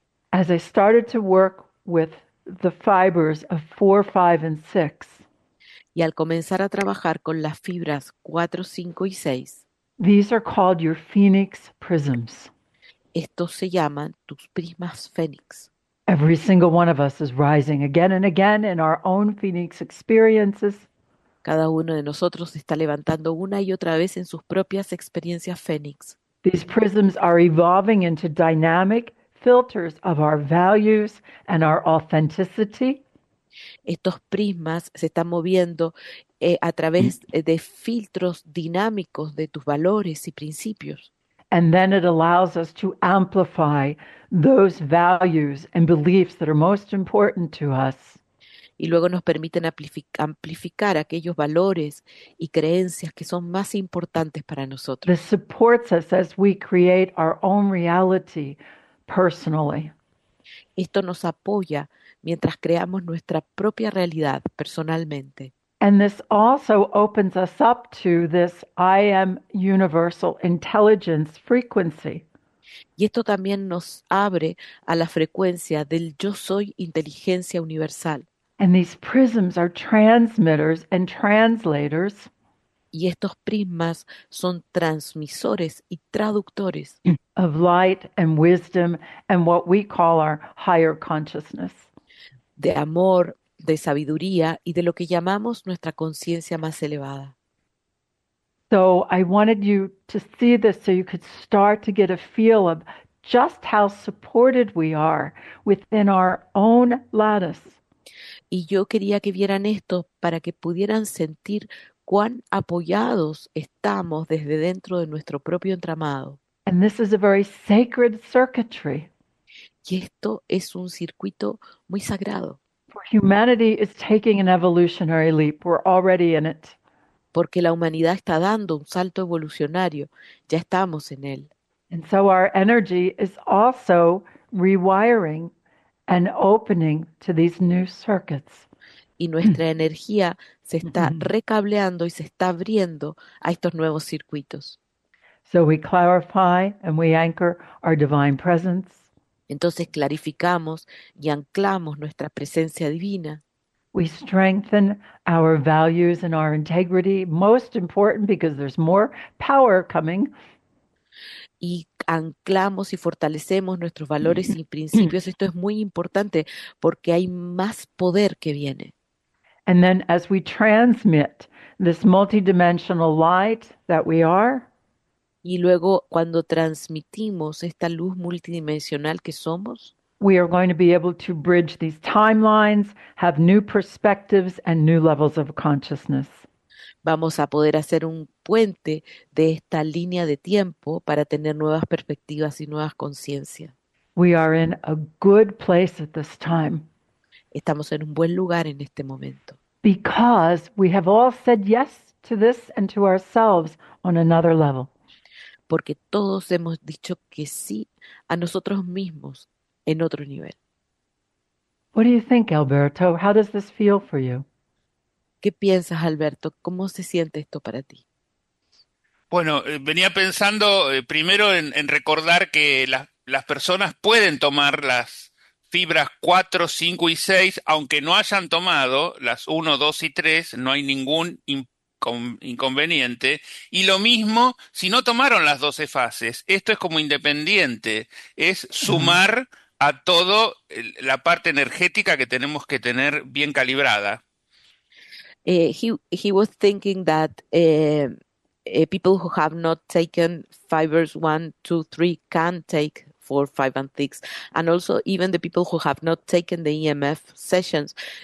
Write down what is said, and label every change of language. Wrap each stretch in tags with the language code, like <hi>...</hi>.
<en>As I started to work with the fibers of 4, 5, and 6.</en> <es>Y al comenzar a trabajar con las fibras 4, 5 y 6.</es> <en>These are called your phoenix prisms.</en> <es>Estos se llaman tus prismas fénix.</es> <en>Every single one of us is rising again and again in our own phoenix experiences.</en> <es>Cada uno de nosotros está levantando una y otra vez en sus propias experiencias fénix.</es> <en>These prisms are evolving into dynamic filters of our values and our authenticity.</en> <es>Estos prismas se están moviendo a través de filtros dinámicos de tus valores y principios.</es> <en>And then it allows us to amplify those values and beliefs that are most important to us.</en> <es>Y luego nos permiten amplificar aquellos valores y creencias que son más importantes para nosotros.</es> <en>This supports us as we create our own reality personally.</en> <es>Esto nos apoya mientras creamos nuestra propia realidad personalmente.</es> <en>And this also opens us up to this I am universal intelligence frequency.</en> <es>Y esto también nos abre a la frecuencia del yo soy inteligencia universal.</es> <en>And these prisms are transmitters and translators.</en> <es>Y estos prismas son transmisores y traductores</es> <en>of light and wisdom and what we call our higher consciousness.</en> <es>De amor, de sabiduría y de lo que llamamos nuestra conciencia más elevada.</es> <en>So I wanted you to see this so you could start to get a feel of just how supported we are within our own lattice.</en> <es>Y yo quería que vieran esto para que pudieran sentir cuán apoyados estamos desde dentro de nuestro propio entramado.</es> <en>And this is a very sacred circuitry.</en> <es>Y esto es un circuito muy sagrado.</es> <en>For humanity is taking an evolutionary leap. We're already in it.</en> <es>Porque la humanidad está dando un salto evolucionario. Ya estamos en él.</es> <en>And so our energy is also rewiring and opening to these new circuits.</en> <es>Y nuestra energía se está recableando y se está abriendo a estos nuevos circuitos.</es> <en>So we clarify and we anchor our divine presence.</en> <es>Entonces clarificamos y anclamos nuestra presencia divina.</es> <en>We strengthen our values and our integrity, most important because there's more power coming.</en> <es>Y anclamos y fortalecemos nuestros valores y principios. Esto es muy importante porque hay más poder que viene.</es> <en>And then as we transmit this multidimensional light that we are,</en> <es>y luego cuando transmitimos esta luz multidimensional que somos,</es> <en>we are going to be able to bridge these timelines, have new perspectives and new levels of consciousness.</en> <es>Vamos a poder hacer un puente de esta línea de tiempo para tener nuevas perspectivas y nuevas conciencias.</es> <en>We are in a good place at this time.</en> <es>Estamos en un buen lugar en este momento.</es> <en>Because we have all said yes to this and to ourselves on another level.</en> <es>Porque todos hemos dicho que sí a nosotros mismos en otro nivel.</es> <en>What do you think, Alberto? How does this feel for you?</en> <es>¿Qué piensas, Alberto? ¿Cómo se siente esto para ti? Bueno, venía pensando primero en recordar que las personas pueden tomar las Fibras 4, 5 y 6, aunque no hayan tomado las 1, 2 y 3, no hay ningún inconveniente. Y lo mismo si no tomaron las 12 fases. Esto es como independiente. Es sumar a todo la parte energética que tenemos que tener bien calibrada.</es> <en>He was thinking that people who have not taken fibers 1, 2, 3 can take 4, 5, and 6, and also even the people who have not taken the EMF sessions.</en>